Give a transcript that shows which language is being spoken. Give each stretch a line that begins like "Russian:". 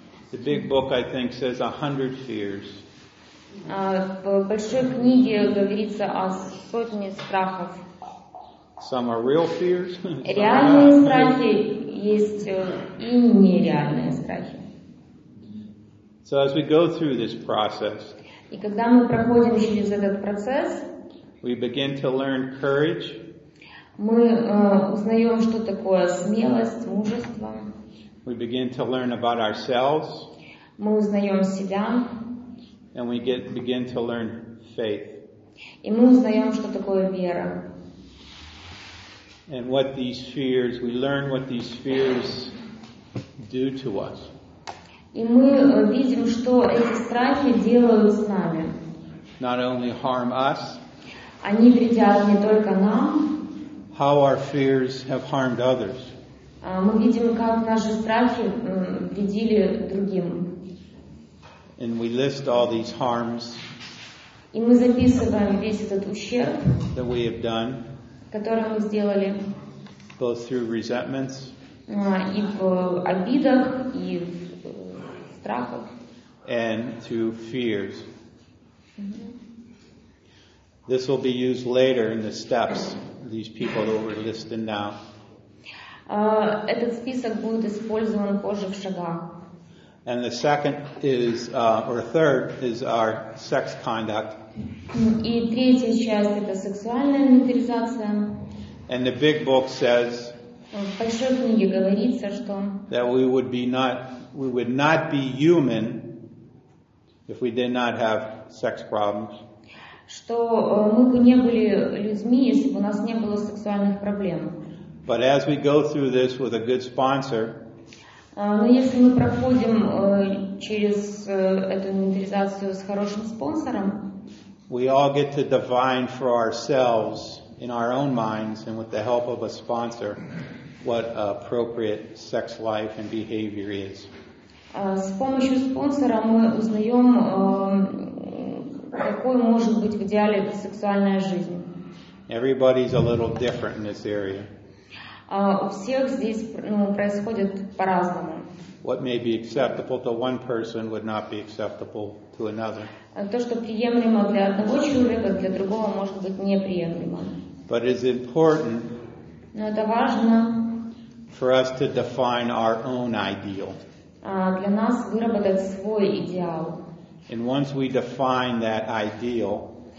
English: The big book, I think, says 100 fears.
Russian: В большой книге говорится о сотне страхов.
English: Some are real fears.
Russian: Реальные страхи есть и нереальные страхи.
English: So as we go through this process,
Russian: и когда мы проходим через этот процесс,
English: we begin to learn courage.
Russian: Мы узнаем, что такое смелость, мужество.
English: We begin to learn about ourselves.
Russian: Мы узнаем себя.
English: And we begin to learn faith.
Russian: И мы узнаем, что такое вера.
English: And what these fears, we learn what these fears do to us.
Russian: И мы видим, что эти страхи делают с нами.
English: Not only harm us.
Russian: Они вредят не только нам.
English: How our fears have harmed others.
Russian: Мы видим, как наши страхи вредили другим.
English: And we list all these harms.
Russian: И мы записываем весь этот ущерб.
English: That we have done.
Russian: Который мы сделали.
English: Both through resentments.
Russian: И в обидах, и в страхах.
English: And through fears. This will be used later in the steps. These people that we're listing now.
Russian: Этот список будет использован позже в шагах.
English: And the second is, or third, is our sex conduct.
Russian: И третья часть это сексуальная нейтрализация.
English: And the big book says.
Russian: В большой книге говорится, что.
English: That we would not be human if we did not have sex problems.
Russian: Что мы бы не были людьми, если бы у нас не было сексуальных проблем.
English: But as we go through this with a good sponsor.
Russian: Но если мы проходим через эту инвентаризацию с хорошим спонсором,
English: we all get to divine for ourselves in our own minds and with the help of a sponsor what appropriate sex life and behavior is.
Russian: С помощью спонсора мы узнаем, какой может быть в идеале сексуальная жизнь.
English: Everybody's a little different in this area.
Russian: У всех здесь происходит по-разному.
English: What may be acceptable to one person would not be acceptable to another.
Russian: То, что приемлемо для одного человека, для другого может быть неприемлемо.
English: But it's important.
Russian: Но это важно.
English: For us to define our own ideal.
Russian: Для нас выработать свой идеал.
English: And once we define that ideal.